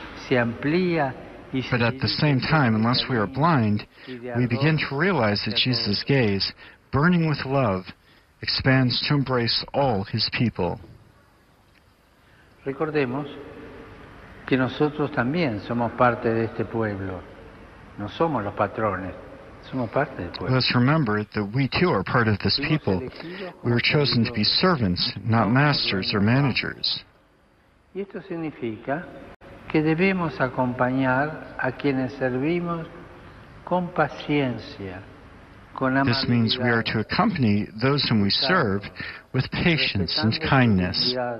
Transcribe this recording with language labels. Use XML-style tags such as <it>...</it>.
<en>But at the same time, unless we are blind, we begin to realize that Jesus' gaze, burning with love, expands to embrace all his people.</en> <es>Recordemos que nosotros también somos parte de este pueblo. No somos los patrones, somos parte del pueblo.</es> <en>Let's remember that we too are part of this people. We were chosen to be servants, not masters or managers.</en> <es>Y esto significa que debemos acompañar a quienes servimos con paciencia.</es> <en>This means we are to accompany those whom we serve with patience and kindness.</en>